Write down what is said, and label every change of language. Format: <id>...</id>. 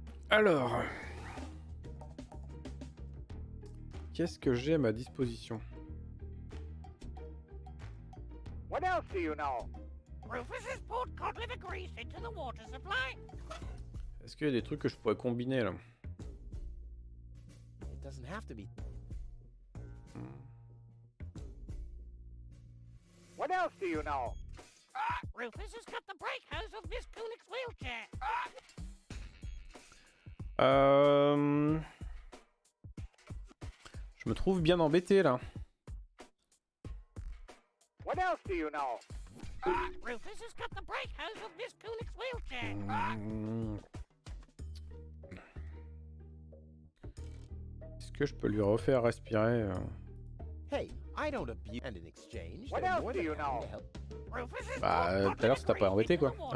<fr>Alors, qu'est-ce que j'ai à ma disposition?</fr> <en>What else do you know? Rufus has poured cod liver grease into the water supply.</en> <fr>Est-ce qu'il y a des trucs que je pourrais combiner là?</fr> <en>It doesn't have to be. What else do you know? Rufus has cut the brake hose of Miss Koenig's wheelchair.</en> <fr>Je me trouve bien embêté là.</fr> <en>What else do you know? Rufus has cut the brake hose of Miss Koenig's wheelchair.</en> <fr>Est-ce que je peux lui refaire respirer?</fr> <en>Hey, I don't abuse and in exchange. What else do you know?</en> <fr>Bah, tout à l'heure, ça t'a pas embêté quoi.</fr>